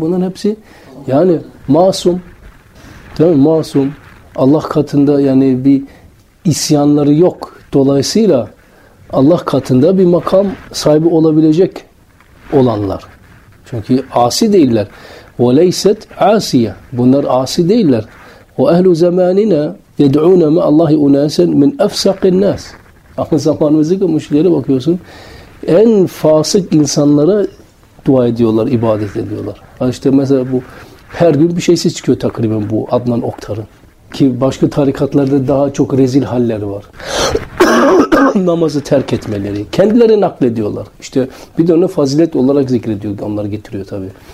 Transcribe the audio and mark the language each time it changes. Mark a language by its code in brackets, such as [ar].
[tr] Bunların hepsi yani masum. Tamam, masum. Allah katında yani bir isyanları yok. Dolayısıyla Allah katında bir makam sahibi olabilecek olanlar. Çünkü asi değiller. [ar] وَلَيْسَتْ عَاسِيَةً. [tr] Bunlar asi değiller. [ar] وَاَهْلُ زَمَانِنَا يَدْعُونَ مَا اللّٰهِ اُنَاسًا مِنْ اَفْسَقِ النَّاسِ. [tr] Ama zamanımızdaki müşrikleri bakıyorsun, en fasık insanlara dua ediyorlar, ibadet ediyorlar. İşte mesela bu her gün bir şeysi çıkıyor takriben bu Adnan Oktar'ın. Ki başka tarikatlarda daha çok rezil halleri var. Namazı terk etmeleri. Kendileri naklediyorlar. İşte bir de onu fazilet olarak zikrediyor. Onlar getiriyor tabii.